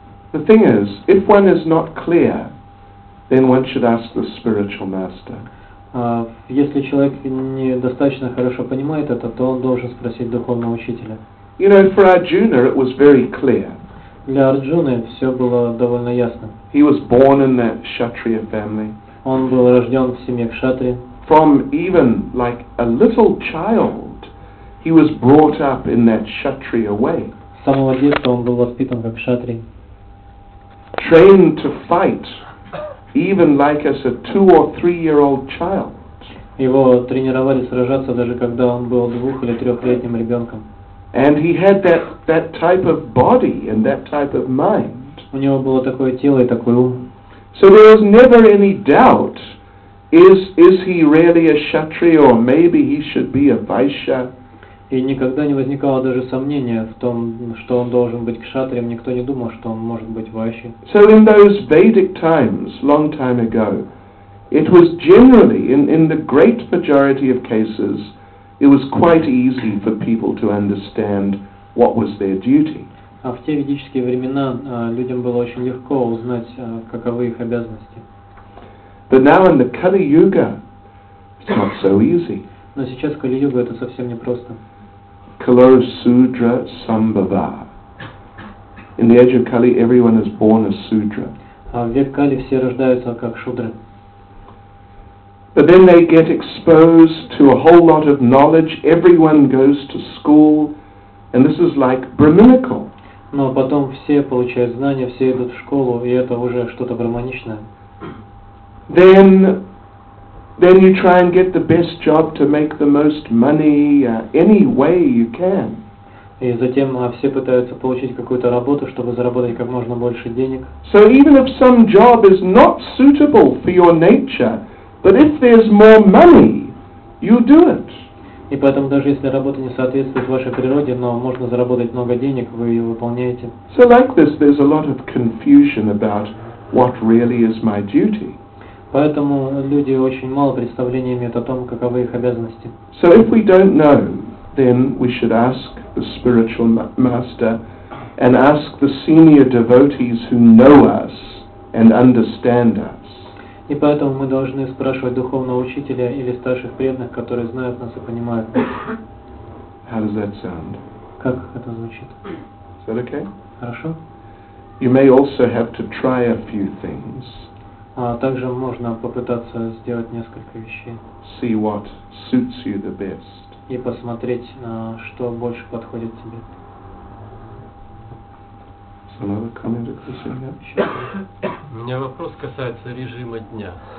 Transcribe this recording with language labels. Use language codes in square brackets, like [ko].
[en] The thing is, if one is not clear, then one should ask the spiritual master. [ru] Если человек недостаточно хорошо понимает это, то он должен спросить духовного учителя. [en] You know, for Arjuna it was very clear. [ru] Для Арджуны все было довольно ясно. [en] He was born in that Kshatriya family. [ru] Он был рожден в семье Кшатри. [en] From even like a little child, he was brought up in that Kshatriya way. [ru] С самого детства он был воспитан как Кшатри. [en] Trained to fight even like as a 2 or 3 year old child. [ru] Его тренировали сражаться даже когда он был 2 или 3 летним ребенком. [en] And he had that type of body and that type of mind. [ru] У него было такое тело и такой ум. [en] So there was never any doubt, is he really a Kshatriya or maybe he should be a Vaishya? [ru] И никогда не возникало даже сомнения в том, что он должен быть кшатрием, никто не думал, что он может быть Vaishya. [en] So in those Vedic times, long time ago, it was generally, in the great majority of cases, it was quite easy for people to understand what was their duty. [ru] А в те ведические времена людям было очень легко узнать, каковы их обязанности. [en] But now in the Kali Yuga, it's not so easy. [ru] Но сейчас в Кали-Юге это совсем непросто. [sa] Kalosudra Sambhava. [en] In the age of Kali, everyone is born as Sudra. [ru] А в век Кали все рождаются как Шудры. [en] But then they get exposed to a whole lot of knowledge. Everyone goes to school, and this is like brahminical. [ru] Но потом все получают знания, все идут в школу, и это уже что-то брахманичное. [en] Then you try and get the best job to make the most money any way you can. [ru] И затем все пытаются получить какую-то работу, чтобы заработать как можно больше денег. [en] So even if some job is not suitable for your nature, but if there's more money, you do it. [ru] И поэтому даже если работа не соответствует вашей природе, но можно заработать много денег, вы ее выполняете. [en] So like this, there's a lot of confusion about what really is my duty. [ru] Поэтому люди очень мало представления имеют о том, каковы их обязанности. [en] So if we don't know, then we should ask the spiritual master and ask the senior devotees who know us and understand us. [ru] И поэтому мы должны спрашивать духовного учителя или старших преданных, которые знают нас и понимают нас. [en] How does that sound? [ru] Как это звучит? [en] Is that okay? [ru] Хорошо. [en] You may also have to try a few things. [ru] А также можно попытаться сделать несколько вещей. [en] See what suits you the best. [ru] И посмотреть, что больше подходит тебе. У меня вопрос касается режима дня.